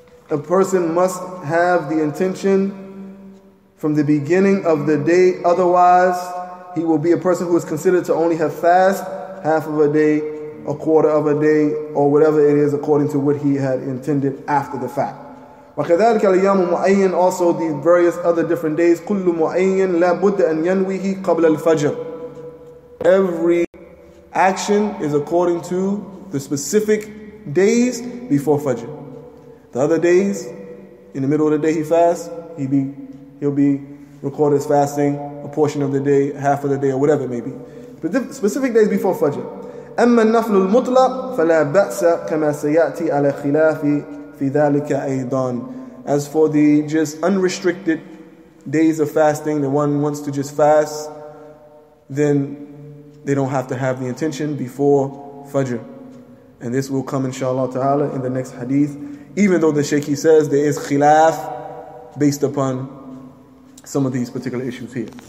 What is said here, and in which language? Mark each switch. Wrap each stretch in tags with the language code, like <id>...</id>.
<en>a person must have the intention from the beginning of the day, otherwise he will be a person who is considered to only have fast half of a day, a quarter of a day, or whatever it is according to what he had intended after the fact.</en> <ar>وَكَذَلِكَ الْيَامُ مُعَيِّنْ,</ar> <en>also the various other different days,</en> <ar>كُلُّ مُعَيِّنْ لَا بُدَّ أَنْ يَنْوِهِ قَبْلَ الْفَجْرِ.</ar> <en>Every action is according to the specific days before Fajr. The other days, in the middle of the day he fasts, he'll be recorded as fasting a portion of the day, half of the day, or whatever it may be. But specific days before Fajr.</en> <ar>أما النفل المطلق فلا بأس كما سيأتي على خلاف في ذلك أيضا.</ar> <en>As for the just unrestricted days of fasting, the one wants to just fast, then they don't have to have the intention before Fajr. And this will come inshallah ta'ala in the next hadith. Even though the shaykh, he says, there is khilaf based upon some of these particular issues here.</en>